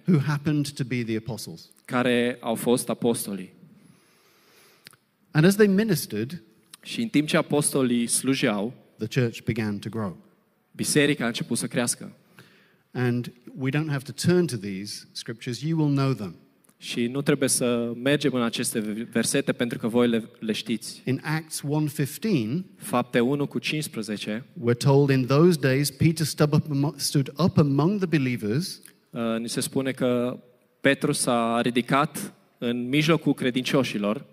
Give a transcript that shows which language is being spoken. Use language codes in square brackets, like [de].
[en] who happened to be the apostles, [ro] care au fost apostolii. [en] And as they ministered, [ro] și în timp ce apostolii slujeau, [en] the church began to grow. [ro] Biserica a început să crească. [en] And we don't have to turn to these scriptures, you will know them. [ro] Și nu trebuie să mergem în aceste versete pentru că voi le știți. [en] In Acts 1:15, [ro] Fapte 1 cu 15, [en] we're told in those days Peter stood up among the believers. [ro] Ni se spune că Petru s-a ridicat în mijlocul credincioșilor.